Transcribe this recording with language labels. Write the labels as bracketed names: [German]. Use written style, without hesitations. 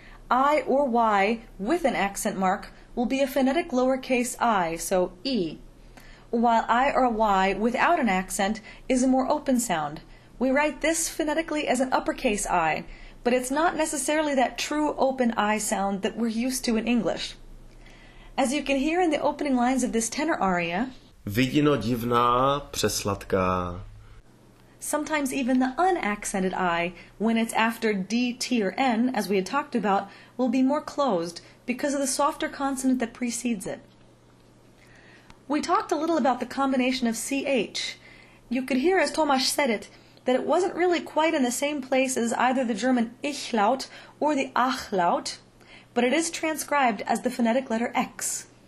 [English] I or Y with an accent mark will be a phonetic lowercase I, so E, while I or Y without an accent is a more open sound. We write this phonetically as an uppercase I, but it's not necessarily that true open I sound that we're used to in English. As you can hear in the opening lines of this tenor aria, [Czech] vidino divná přesladká. [English] Sometimes even the unaccented I, when it's after D, T, or N, as we had talked about, will be more closed, because of the softer consonant that precedes it. We talked a little about the combination of CH. You could hear, as Tomáš said it, that it wasn't really quite in the same place as either the German Ichlaut or the Achlaut, but it is transcribed as the phonetic letter X.